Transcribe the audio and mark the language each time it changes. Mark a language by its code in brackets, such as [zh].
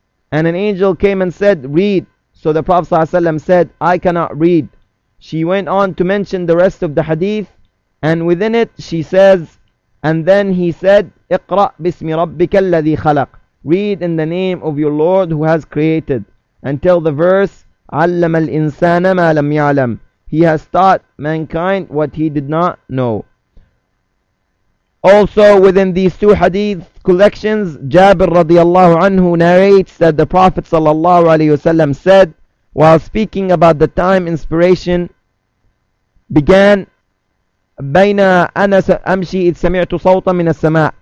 [en] And an angel came and said, read. So the Prophet sallallahu alayhi wa sallam said, I cannot read. She went on to mention the rest of the hadith, and within it she says, and then he said, [ar] اقرأ بسم ربك الذي خلق. [en] Read in the name of your Lord who has created. Until the verse, [ar] علم الإنسان ما لم يعلم. [en] He has taught mankind what he did not know. Also within these two hadith collections, Jabir radiallahu anhu narrates that the Prophet sallallahu alayhi wasallam said, while speaking about the time inspiration began, [ar] بين أنا أمشي إذ سمعت صوتا من السماء.